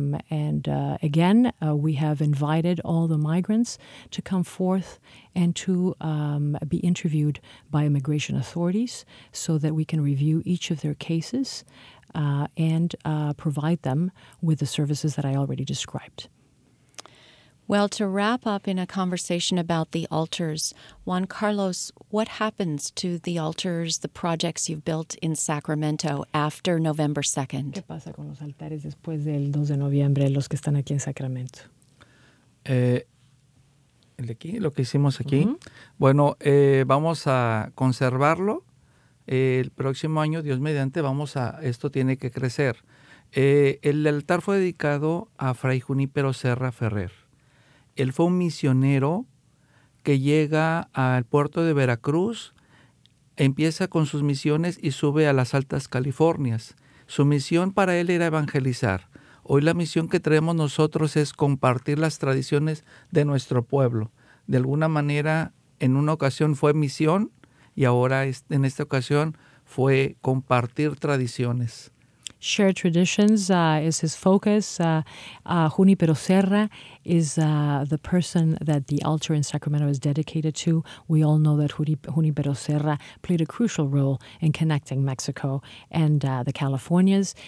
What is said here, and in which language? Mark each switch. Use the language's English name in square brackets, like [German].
[English] And again, we have invited all the migrants to come forth and to be interviewed by immigration authorities so that we can review each of their cases and provide them with the services that I already described. Well, to wrap up in a conversation about the altars, Juan Carlos, what happens to the altars, the projects you've built in Sacramento after November 2nd? [Spanish] ¿Qué pasa con los altares después del 2 de noviembre, los que están aquí en Sacramento? El de aquí, lo que hicimos aquí. Uh-huh. Bueno, vamos a conservarlo. El próximo año, Dios mediante, esto tiene que crecer. El altar fue dedicado a Fray Junípero Serra Ferrer. Él fue un misionero que llega al puerto de Veracruz, empieza con sus misiones y sube a las altas Californias. Su misión para él era evangelizar. Hoy la misión que traemos nosotros es compartir las tradiciones de nuestro pueblo. De alguna manera, en una ocasión fue misión y ahora en esta ocasión fue compartir tradiciones. [English] Shared traditions is his focus. Junipero Serra is the person that the altar in Sacramento is dedicated to. We all know that Junipero Serra played a crucial role in connecting Mexico and the Californias.